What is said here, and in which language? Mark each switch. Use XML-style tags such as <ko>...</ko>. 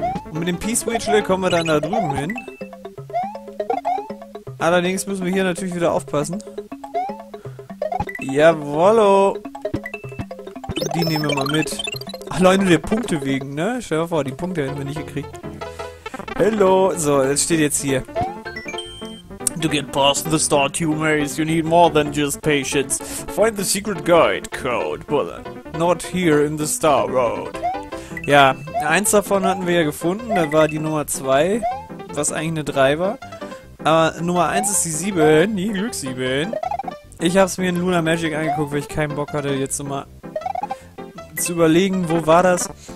<de>Und mit dem P-Switchle kommen wir dann da drüben hin. Allerdings müssen wir hier natürlich wieder aufpassen. Jawollo! Die nehmen wir mal mit. Alleine der Punkte wegen, ne? Stell dir vor, die Punkte hätten wir nicht gekriegt.</de> <en>Hello!</en> <de>So, das steht jetzt hier.</de> <en>To get past the Star Tumors, you need more than just patience. Find the secret guide code, brother. Not here in the Star Road.</en> <de>Ja, eins davon hatten wir ja gefunden. Da war die Nummer 2, was eigentlich eine 3 war. Aber Nummer 1 ist die 7, die Glücks-7. Ich hab's mir in Luna Magic angeguckt, weil ich keinen Bock hatte, jetzt nochmal zu überlegen, wo war das.</de>